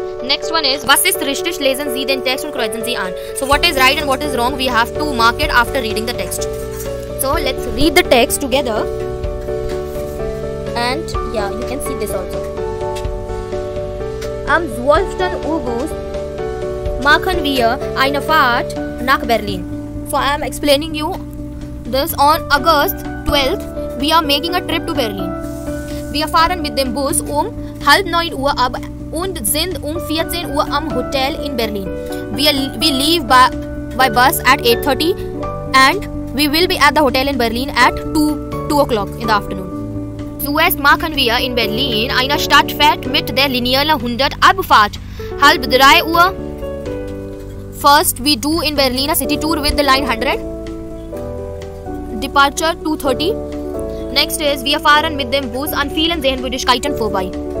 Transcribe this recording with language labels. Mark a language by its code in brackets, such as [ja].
[en] Next one is, [de] was ist richtig, lesen Sie den Text und kreuzen Sie an. [en] So what is right and what is wrong, we have to mark it after reading the text. So let's read the text together. And yeah, you can see this also. [de] Am 12. August machen wir eine Fahrt nach Berlin. [en] So I am explaining you this. On August 12th, we are making a trip to Berlin. [de] Wir fahren mit dem Bus 8:30 ab und sind 14 Uhr am Hotel in Berlin. [en] We leave by bus at 8:30 and we will be at the hotel in Berlin at 2 o'clock in the afternoon. [de] Zuerst machen wir in Berlin eine Stadtfahrt mit der Linie 100 Abfahrt 3:30. [en] First we do in Berlin a city tour with the line 100. Departure 2:30. Next is, [de] wir fahren mit dem Bus an vielen Sehenswürdigkeiten vorbei.